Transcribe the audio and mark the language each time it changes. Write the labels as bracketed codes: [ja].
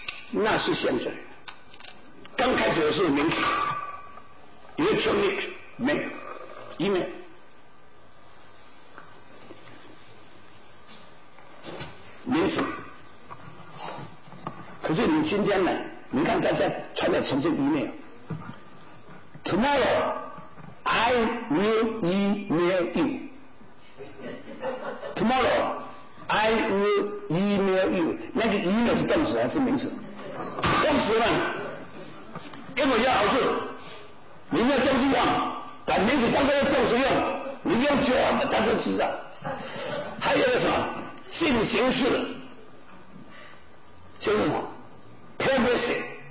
[zh] 那是现在，刚开始的是名词 ，electronic mail，email， 名词。可是你今天呢？你看大家传的全是 email， tomorrow [en] I will be near you. Tomorrow, I will be near you. [zh] 那个 email 是动词还是名词？动词嘛，根本要好处。你没有动词用，把名词当作动词用，你用脚当作词的。还有什么？进行式，就是什么 ？Purpose。